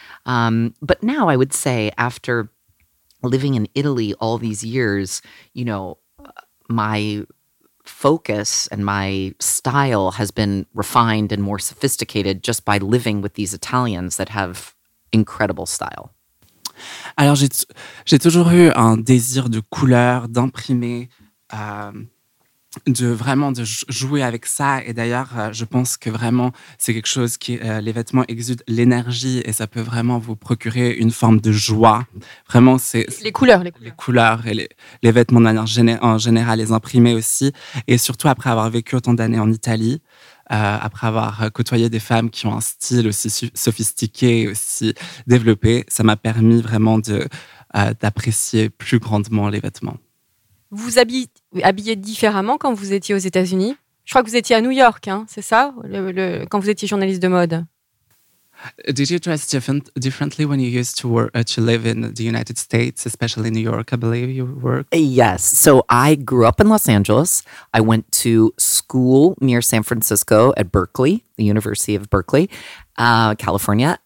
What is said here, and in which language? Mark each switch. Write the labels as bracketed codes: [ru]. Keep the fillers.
[en] Um, but now I would say, after living in Italy all these years, you know, my focus and my style has been refined and more sophisticated just by living with these Italians that have incredible style. [fr] Alors, j'ai toujours eu un désir de couleur, d'imprimer. Um de vraiment de jouer avec ça et d'ailleurs je pense que vraiment c'est quelque chose qui euh, les vêtements exudent l'énergie et ça peut vraiment vous procurer une forme de joie vraiment c'est les, les, les couleurs les couleurs, les couleurs et les, les vêtements de manière en général les imprimés aussi et surtout après avoir vécu autant d'années en Italie euh, après avoir côtoyé des femmes qui ont un style aussi sophistiqué aussi développé ça m'a permis vraiment de euh, d'apprécier plus grandement les vêtements vous habillez, vous habillez différemment quand vous étiez aux États-Unis Je crois que vous étiez à New York, hein, c'est ça, le, le, quand vous étiez journaliste de mode. [en] Did you dress different, differently when you used to, work, uh, to, live in the United States, especially in New York, I believe you work? Yes. So I grew up in Los Angeles. I went to school near San Francisco at Berkeley, the University of Berkeley, uh, California.